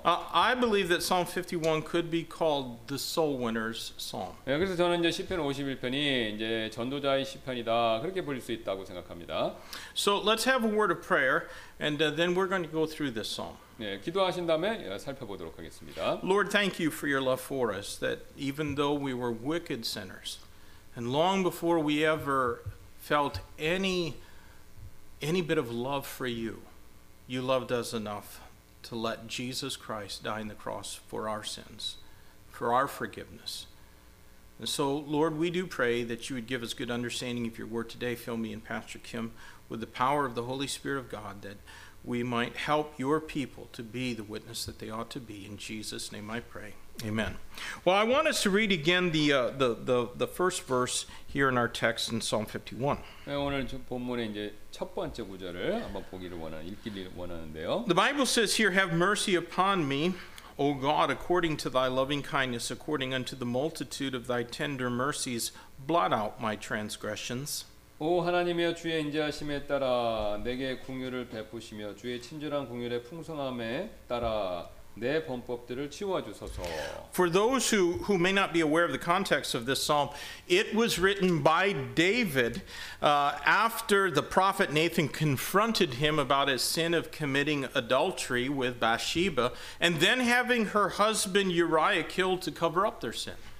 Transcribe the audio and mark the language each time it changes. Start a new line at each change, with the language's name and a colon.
English: I believe that Psalm 51 could be called the soul winner's psalm.
Korean: 예, 그래서 저는 이제 시편 51편이 이제 전도자의 시편이다 그렇게 볼 수 있다고 생각합니다.
English: So let's have a word of prayer and then we're going to go through this psalm.
Korean: 예, 기도하신 다음에 살펴보도록 하겠습니다.
English: Lord, thank you for your love for us that even though we were wicked sinners and long before we ever felt any bit of love for you, you loved us enough to let Jesus Christ die on the cross for our sins, for our forgiveness. And so, Lord, we do pray that you would give us good understanding of your word today. Fill me and Pastor Kim with the power of the Holy Spirit of God that we might help your people to be the witness that they ought to be. In Jesus' name I pray. Amen. Well, I want us to read again the first verse here in our text in Psalm 51.
Korean: 네, 오늘 본문의 이제 첫 번째 구절을 한번 보기를 원하는 읽기를 원하는데요.
English: The Bible says here, "Have mercy upon me, O God, according to Thy loving kindness, according unto the multitude of Thy tender mercies, blot out my transgressions."
Korean: 오 하나님이여 주의 인자하심에 따라 내게 긍휼을 베푸시며 주의 친절한 긍휼의 풍성함에 따라 내 범법들을 치워주소서.
English: For those who may not be aware of the context of this psalm, it was written by David after the prophet Nathan confronted him about his sin of committing adultery with Bathsheba and then having her husband Uriah killed to cover up their sin.